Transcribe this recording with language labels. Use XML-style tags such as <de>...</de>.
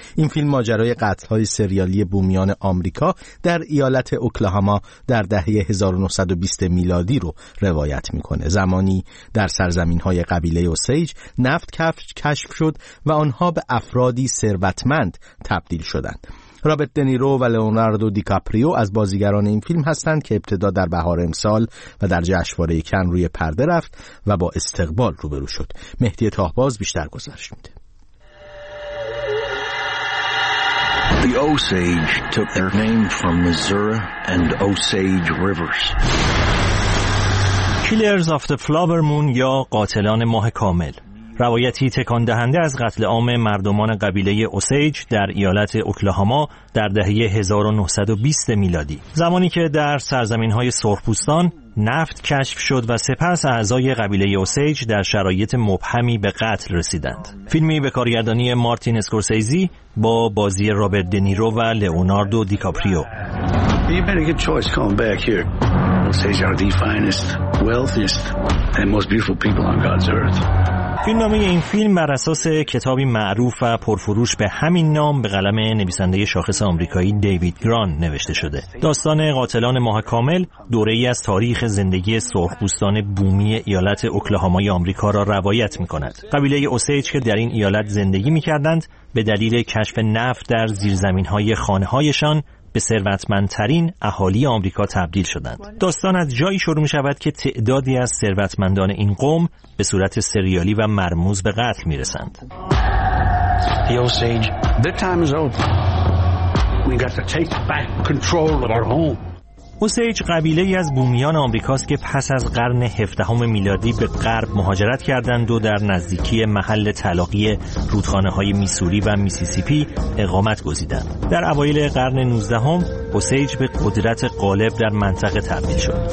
<fa>این فیلم ماجرای قتل‌های سریالی بومیان آمریکا در ایالت اوکلاهاما در دهه 1920 میلادی رو روایت میکنه، زمانی در سرزمین‌های قبیله اوسیج نفت کشف شد و آنها به افرادی ثروتمند تبدیل شدند. رابرت دنیرو و لئوناردو دیکاپریو از بازیگران این فیلم هستند که ابتدا در بهار امسال و در جشنواره کن روی پرده رفت و با استقبال روبرو شد. مهدی طاهباز بیشتر گزارش میده.</fa> <en>The Osage took their name from Missouri and Osage Rivers.</en> <fa>Killers of the Flower Moon یا قاتلان ماه کامل، روایتی تکان دهنده از قتل عام مردمان قبیله اوسیج در ایالت اوکلاهاما در دهه 1920 میلادی، زمانی که در سرزمین‌های سرخپوستان نفت کشف شد و سپس اعضای قبیله اوسیج در شرایط مبهمی به قتل رسیدند. فیلمی به کارگردانی مارتین اسکورسیزی با بازی رابرت دنیرو و لئوناردو دیکاپریو.</fa> <en>You better get choice coming back here. Osage are the finest, wealthiest and most beautiful people on God's earth.</en> <fa>فیلمنامه این فیلم بر اساس کتابی معروف و پرفروش به همین نام به قلم نویسنده شاخص آمریکایی دیوید گران نوشته شده. داستان قاتلان ماه کامل دوره‌ای از تاریخ زندگی سرخپوستان بومی ایالت اوکلاهامای آمریکا را روایت می‌کند. قبیله اوسیج که در این ایالت زندگی می‌کردند به دلیل کشف نفت در زیرزمین‌های خانه‌هایشان به ثروتمندترین اهالی آمریکا تبدیل شدند. داستان از جایی شروع می‌شود که تعدادی از ثروتمندان این قوم به صورت سریالی و مرموز به قتل می‌رسند.</fa> <en>The Osage, the time is over. We got to take back control of our home.</en> <fa>اوسیج قبیله ای از بومیان آمریکاست که پس از قرن 17 میلادی به غرب مهاجرت کردند و در نزدیکی محل تلاقی رودخانه های میسوری و میسیسیپی اقامت گزیدند. در اوایل قرن 19 اوسیج به قدرت غالب در منطقه تبدیل شد.</fa>